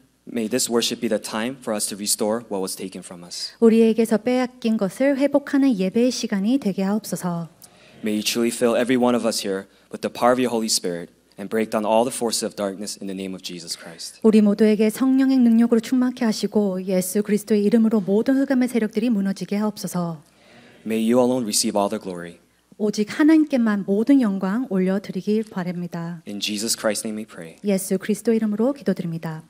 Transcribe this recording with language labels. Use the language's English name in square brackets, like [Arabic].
[English] May this worship be the time for us to restore what was taken from us. [Korean] 우리에게서 빼앗긴 것을 회복하는 예배의 시간이 되게 하옵소서. [English] May you truly fill every one of us here with the power of your Holy Spirit and break down all the forces of darkness in the name of Jesus Christ. [Korean] 우리 모두에게 성령의 능력으로 충만케 하시고 예수 그리스도의 이름으로 모든 흑암의 세력들이 무너지게 하옵소서. [English] May you alone receive all the glory. [Korean] 오직 하나님께만 모든 영광 올려드리길 바랍니다. [English] In Jesus Christ's name we pray. [Korean] 예수 그리스도 이름으로 기도드립니다.